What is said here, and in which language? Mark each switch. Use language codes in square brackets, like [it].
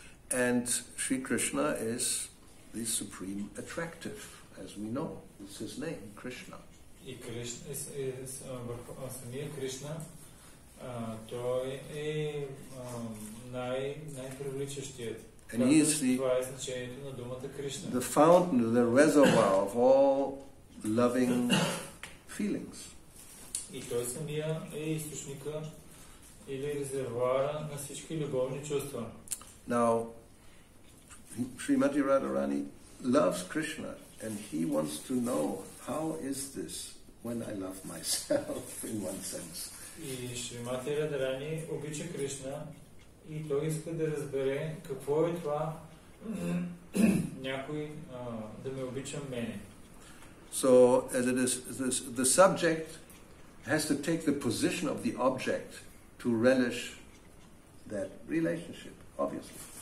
[en] And Sri Krishna is the supreme attractive, as we know. It's his name, Krishna. [bg] И самия Кришна, той е най-привличащият. [en] And he is the, [bg] това е значението на думата Кришна. [en] The fountain, the reservoir of all loving feelings. [bg] И той самия е източника или резервуара на всички любовни чувства. [en] Now, Srimati Radharani loves Krishna and he wants to know how is this when I love myself in one sense. [bg] И Srimati Radharani обича Кришна и той иска да разбере какво е това някой да ме обича мене. [en] So as it is, the subject has to take the position of the object to relish that relationship, obviously.